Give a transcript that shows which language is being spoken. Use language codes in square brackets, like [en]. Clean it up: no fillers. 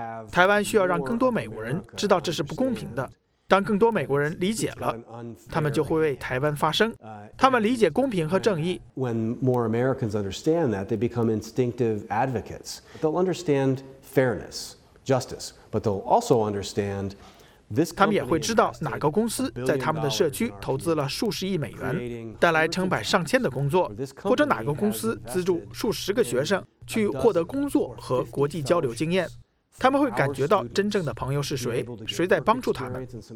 [zh] 台湾需要让更多美国人知道这是不公平的。当更多美国人理解了，他们就会为台湾发声。他们理解公平和正义。 [en] When more Americans understand that, they become instinctive advocates. They'll understand fairness, justice, but they'll also understand this. [zh] 他们也会知道哪个公司在他们的社区投资了数十亿美元，带来成百上千的工作，或者哪个公司资助数十个学生。去获得工作和国际交流经验。他们会感觉到真正的朋友是谁，谁在帮助他们。